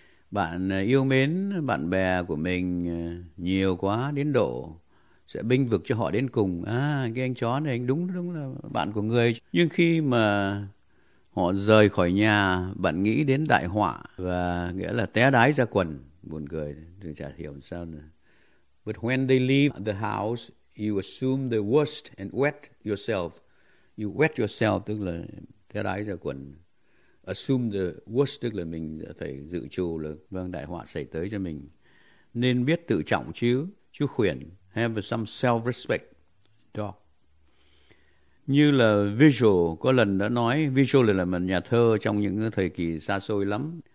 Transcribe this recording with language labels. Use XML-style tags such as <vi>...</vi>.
<vi>Bạn yêu mến bạn bè của mình nhiều quá đến độ sẽ bênh vực cho họ đến cùng. À, cái anh chó này anh đúng là bạn của người. Nhưng khi mà họ rời khỏi nhà, bạn nghĩ đến đại họa và nghĩa là té đái ra quần. Buồn cười, tôi chả hiểu sao nữa.</vi> <en>But when they leave the house, you assume the worst and wet yourself. You wet yourself,</en> <vi>tức là té đái ra quần.</vi> <en>Assume the worst,</en> <vi>tức là mình phải dự trù là vâng, đại họa xảy tới cho mình. Nên biết tự trọng chứ khuyển.</vi> <en>Have some self-respect. dog.</en> <vi>Như là Virgil có lần đã nói, Virgil là một nhà thơ trong những thời kỳ xa xôi lắm.</vi>